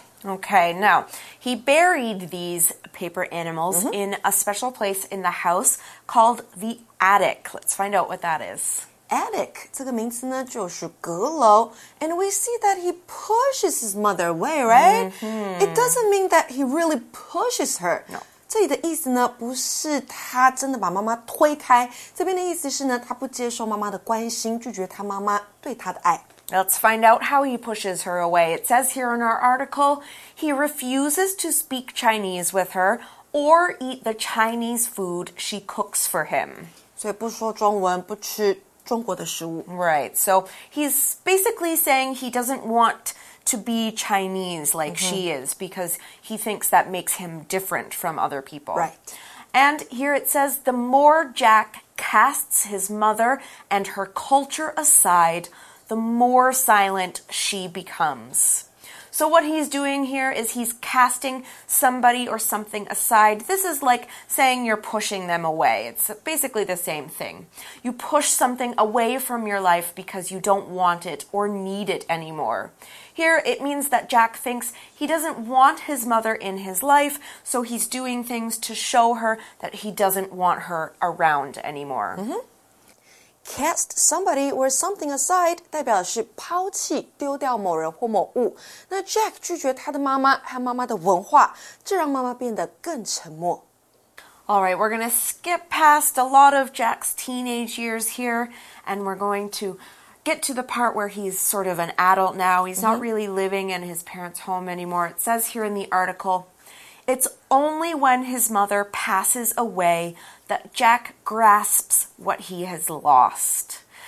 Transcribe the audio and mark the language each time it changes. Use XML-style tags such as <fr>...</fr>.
<en>Okay, now he buried these paper animals、mm-hmm. in a special place in the house called the attic. Let's find out what that is.</en> <zh>Attic 这个名词呢，就是阁楼。</zh> <en>And we see that he pushes his mother away, right?、 Mm-hmm. It doesn't mean that he really pushes her. No.</en> <zh>这里的意思呢，不是他真的把妈妈推开。这边的意思是呢，他不接受妈妈的关心，拒绝他妈妈对他的爱。</zh> <en>Let's find out how he pushes her away. It says here in our article, he refuses to speak Chinese with her or eat the Chinese food she cooks for him.</en> <zh>所以不说中文，不吃中国的食物。</zh> <en>Right, so he's basically saying he doesn't wantto be Chinese like、mm-hmm. she is, because he thinks that makes him different from other people. Right. And here it says, the more Jack casts his mother and her culture aside, the more silent she becomes. So what he's doing here is he's casting somebody or something aside. This is like saying you're pushing them away. It's basically the same thing. You push something away from your life because you don't want it or need it anymore. Here, it means that Jack thinks he doesn't want his mother in his life, so he's doing things to show her that he doesn't want her around anymore.</en> <zh>Mm-hmm.</zh> <en>Cast somebody or something aside</en> <zh>代表是抛弃、丢掉某人或某物。那 Jack 拒绝他的妈妈和妈妈的文化，这让妈妈变得更沉默。</zh> <en>All right, we're going to skip past a lot of Jack's teenage years here, and we're going to... get to the part where he's sort of an adult now. He's not really living in his parents' home anymore. It says here in the article, it's only when his mother passes away that Jack grasps what he has lost.</en>